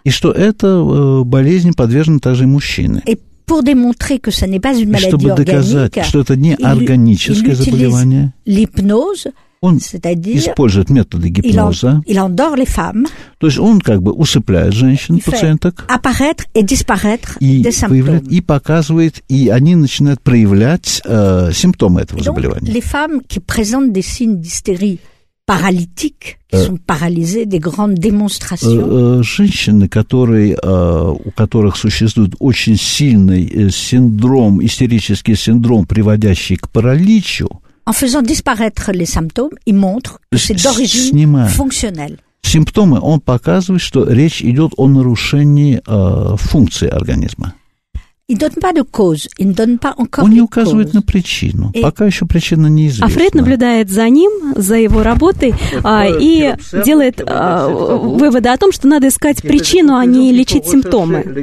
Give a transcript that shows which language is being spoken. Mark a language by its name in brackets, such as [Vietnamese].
[Russian] И что это болезнь подвержена также и мужчине. [French] Et pour démontrer que ça n'est pas une maladie organique, [Russian] чтобы доказать, что это не органическое заболевание, [French] l'hypnose, [Russian] он использует методы гипноза. [French] Il endort les femmes. [Russian] То есть он как бы усыпляет женщин, пациенток. [French] Apparaître et disparaître des symptômes. [Russian] И показывает, и они начинают проявлять симптомы этого заболевания. [French] Donc, les femmes qui présentent des signes d'hystérie paralytique, qui sont paralysées, des grandes démonstrations. [Russian] Женщины, которые, у которых существует очень сильный синдром, истерический синдром, приводящий к параличу, [French] en faisant disparaître les symptômes, il montre que c'est d'origine fonctionnelle. [Russian] Симптомы, он показывает, что речь идет о нарушении функции организма. [French] Il donne pas de cause, il ne donne pas encore [Russian] Он не указывает на причину, пока еще причина неизвестна. А Фрейд наблюдает за ним, за его работой, и делает выводы о том, что надо искать причину, а не лечить симптомы.